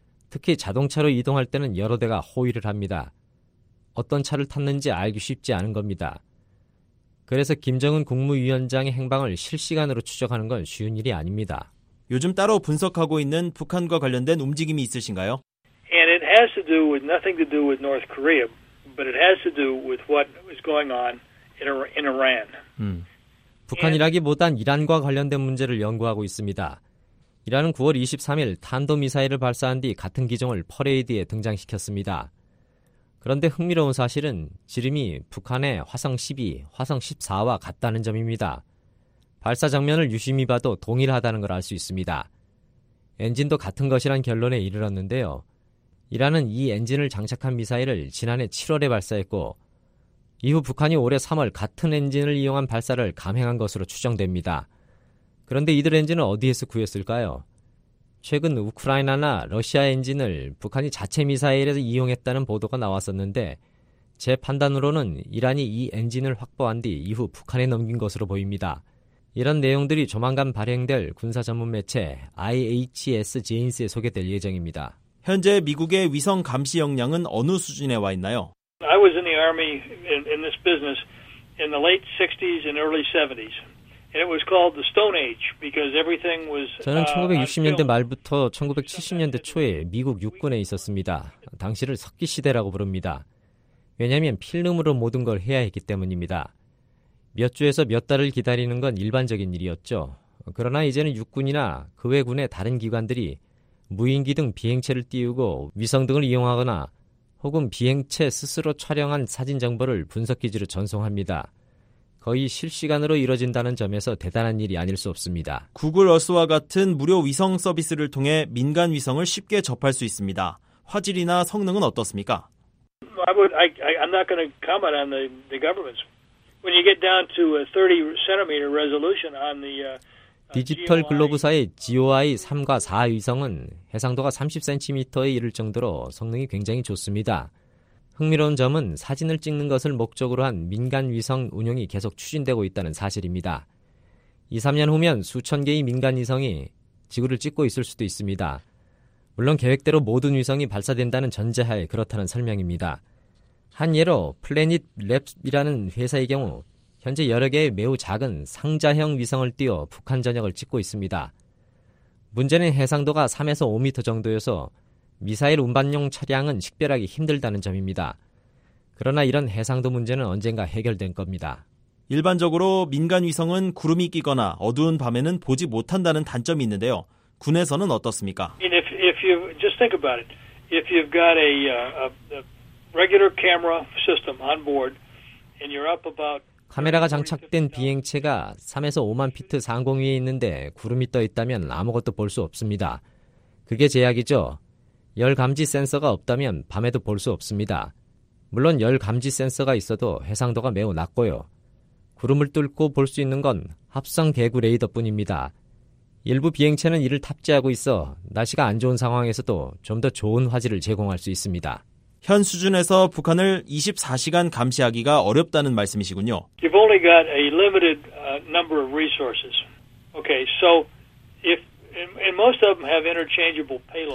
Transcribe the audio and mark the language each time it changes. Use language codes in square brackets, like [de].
[ko] 특히 자동차로 이동할 때는 여러 대가 호위를 합니다. 어떤 차를 탔는지 알기 쉽지 않은 겁니다. 그래서 김정은 국무위원장의 행방을 실시간으로 추적하는 건 쉬운 일이 아닙니다. 요즘 따로 분석하고 있는 북한과 관련된 움직임이 있으신가요? [en] And it has to do with nothing to do with North Korea, but it has to do with what is going on in Iran. [ko] 북한이라기보단 이란과 관련된 문제를 연구하고 있습니다. 이란은 9월 23일 탄도미사일을 발사한 뒤 같은 기종을 퍼레이드에 등장시켰습니다. 그런데 흥미로운 사실은 지름이 북한의 화성 12, 화성 14와 같다는 점입니다. 발사 장면을 유심히 봐도 동일하다는 걸 알 수 있습니다. 엔진도 같은 것이란 결론에 이르렀는데요. 이란은 이 엔진을 장착한 미사일을 지난해 7월에 발사했고 이후 북한이 올해 3월 같은 엔진을 이용한 발사를 감행한 것으로 추정됩니다. 그런데 이들 엔진은 어디에서 구했을까요? 최근 우크라이나나 러시아 엔진을 북한이 자체 미사일에서 이용했다는 보도가 나왔었는데 제 판단으로는 이란이 이 엔진을 확보한 뒤 이후 북한에 넘긴 것으로 보입니다. 이런 내용들이 조만간 발행될 군사 전문 매체 IHS 제인스에 소개될 예정입니다. 현재 미국의 위성 감시 역량은 어느 수준에 와 있나요? [en] I was in the army in this business in the late 60s and early 70s. And it was called the Stone Age because everything was [ko] 저는 1960년대 말부터 1970년대 초에 미국 육군에 있었습니다. 당시를 석기 시대라고 부릅니다. 왜냐하면 필름으로 모든 걸 해야 했기 때문입니다. 몇 주에서 몇 달을 기다리는 건 일반적인 일이었죠. 그러나 이제는 육군이나 그 외 군의 다른 기관들이 무인기 등 비행체를 띄우고 위성 등을 이용하거나 혹은 비행체 스스로 촬영한 사진 정보를 분석기지로 전송합니다. 거의 실시간으로 이뤄진다는 점에서 대단한 일이 아닐 수 없습니다. 구글 어스와 같은 무료 위성 서비스를 통해 민간 위성을 쉽게 접할 수 있습니다. 화질이나 성능은 어떻습니까? [en] I'm not going to comment on the government's. When you get down to a 30 centimeter resolution on the [ko] 디지털 글로브사의 GOI 3과 4 위성은 해상도가 30cm에 이를 정도로 성능이 굉장히 좋습니다. 흥미로운 점은 사진을 찍는 것을 목적으로 한 민간 위성 운영이 계속 추진되고 있다는 사실입니다. 2, 3년 후면 수천 개의 민간 위성이 지구를 찍고 있을 수도 있습니다. 물론 계획대로 모든 위성이 발사된다는 전제하에 그렇다는 설명입니다. 한 예로 플래닛 랩이라는 회사의 경우 현재 여러 개의 매우 작은 상자형 위성을 띄워 북한 전역을 찍고 있습니다. 문제는 해상도가 3에서 5미터 정도여서 미사일 운반용 차량은 식별하기 힘들다는 점입니다. 그러나 이런 해상도 문제는 언젠가 해결된 겁니다. 일반적으로 민간 위성은 구름이 끼거나 어두운 밤에는 보지 못한다는 단점이 있는데요. 군에서는 어떻습니까? [en] If you just think about it, if you've got a regular camera system on board and you're up about [ko] 카메라가 장착된 비행체가 3에서 5만 피트 상공 위에 있는데 구름이 떠 있다면 아무것도 볼 수 없습니다. 그게 제약이죠. 열 감지 센서가 없다면 밤에도 볼 수 없습니다. 물론 열 감지 센서가 있어도 해상도가 매우 낮고요. 구름을 뚫고 볼 수 있는 건 합성 개구 레이더뿐입니다. 일부 비행체는 이를 탑재하고 있어 날씨가 안 좋은 상황에서도 좀 더 좋은 화질을 제공할 수 있습니다. 현 수준에서 북한을 24시간 감시하기가 어렵다는 말씀이시군요. [en] You've only got a limited number of resources. Okay, so if and most of them have interchangeable payloads.